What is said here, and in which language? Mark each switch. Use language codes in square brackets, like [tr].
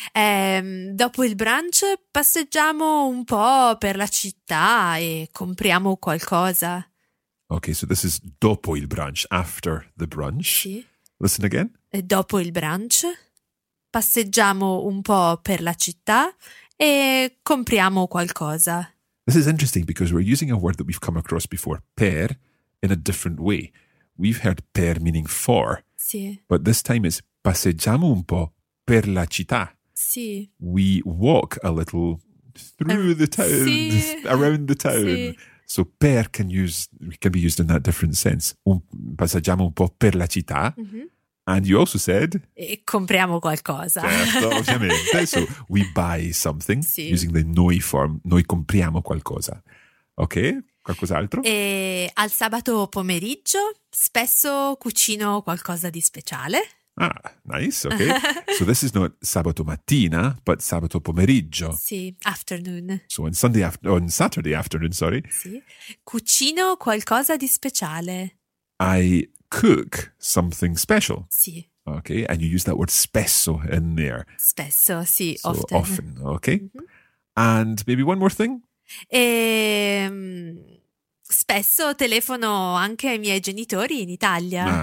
[it] Dopo il brunch passeggiamo un po' per la città e compriamo qualcosa. [en] Okay, so this is [it] dopo il brunch, [en] after the brunch. [it] Sì. [en] Listen again. [it] E dopo il brunch passeggiamo un po' per la città e compriamo qualcosa. [en] This is interesting because we're using a word that we've come across before, per, in a different way. We've heard per meaning for. [it] Sì. [en] But this time it's [it] passeggiamo un po' per la città. Sì. [en] We walk a little through the town, [it] sì. [en] Around the town. [it] Sì. [en] So per can be used in that different sense. [it] Passeggiamo un po' per la città. [en] And you also said? [it] E compriamo qualcosa. Certo, ovviamente. [en] So we buy something using the noi form. [it] Noi compriamo qualcosa. Ok? Qualcos'altro? E al sabato pomeriggio spesso cucino qualcosa di speciale. [en] Ah, nice. Ok. So this is not sabato mattina, but sabato pomeriggio. [it] Sì, afternoon. [en] So on Saturday afternoon, sorry. [it] Sì. Cucino qualcosa di speciale. [en] I cook something special. [it] Sì. [en] Ok, and you use that word spesso in there. [it] Spesso, sì, [en] so often. Often, ok. And maybe one more thing. [it] Spesso telefono anche ai miei genitori in Italia.